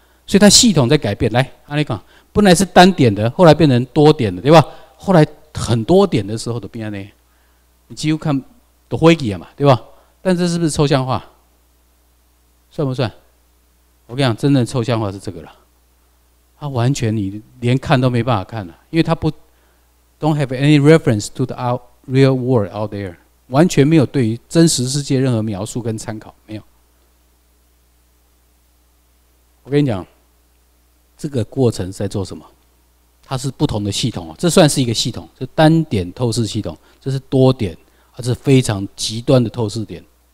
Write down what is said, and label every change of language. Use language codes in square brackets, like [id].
[zh] 所以它系统在改变。来，阿力讲，本来是单点的，后来变成多点的，对吧？后来很多点的时候都变成那样，你几乎看都灰记了嘛，对吧？但这是不是抽象化？算不算？我跟你讲，真正抽象化是这个了，它完全你连看都没办法看了，因为它不。 [en] Don't have any reference to the real world out there. [zh] 完全没有对于真实世界任何描述跟参考，没有。我跟你讲，这个过程是在做什么？它是不同的系统，这算是一个系统，这单点透视系统，这是多点，这是非常极端的透视点。